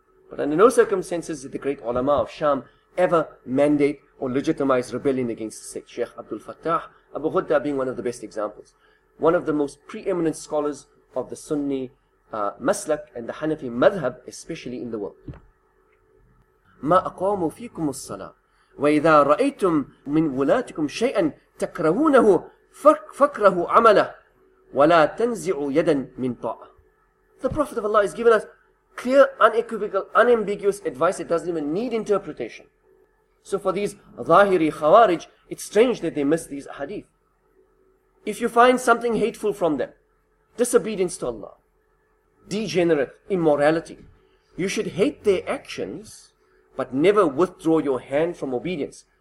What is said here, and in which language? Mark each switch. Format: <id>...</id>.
<en>But under no circumstances did the great ulama of Sham ever mandate or legitimize rebellion against the state. Sheikh Abdul Fattah, Abu Ghudda being one of the best examples. One of the most preeminent scholars of the Sunni Maslak and the Hanafi Madhab, especially in the world.</en> <ar>مَا أَقَوَمُ فِيكُمُ الصَّلَاةِ وَإِذَا رَأَيْتُمْ مِنْ وُلَاتِكُمْ شَيْئًا تَكْرَهُونَهُ فَكْرَهُ عَمَلَهُ وَلَا تَنْزِعُ يَدًا مِنْ طَاعَةٍ</ar> <en>The Prophet of Allah has given us clear, unequivocal, unambiguous advice. It doesn't even need interpretation. So for these Zahiri Khawarij, it's strange that they miss these hadith. If you find something hateful from them, disobedience to Allah, degenerate, immorality, you should hate their actions, but never withdraw your hand from obedience.</en>